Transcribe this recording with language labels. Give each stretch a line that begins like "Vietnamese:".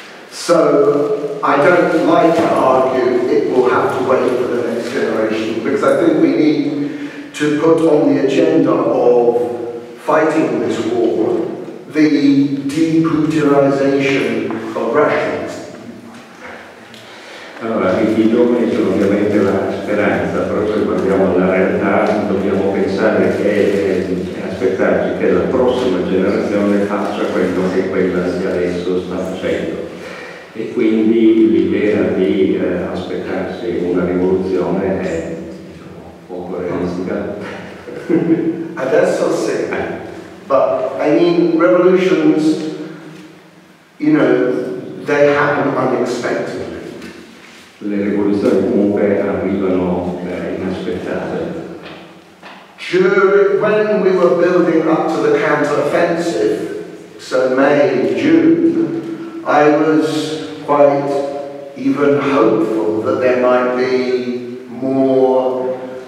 English: So I don't like to argue it will have to wait for the next generation, because I think we need to put on the agenda of fighting this war the deputinization of Russians.
Italian: Allora, i giovani sono ovviamente la speranza, però se guardiamo la realtà dobbiamo pensare che aspettarci che la prossima generazione faccia quello che quella sia adesso sta facendo. E quindi l'idea di aspettarsi una rivoluzione è poco realistica. Adesso sì.
English: But I mean, revolutions, you know, they happen unexpectedly.
Italian: Le rivoluzioni comunque arrivano inaspettate.
English: When we were building up to the counter-offensive, so May, June, I was quite even hopeful that there might be more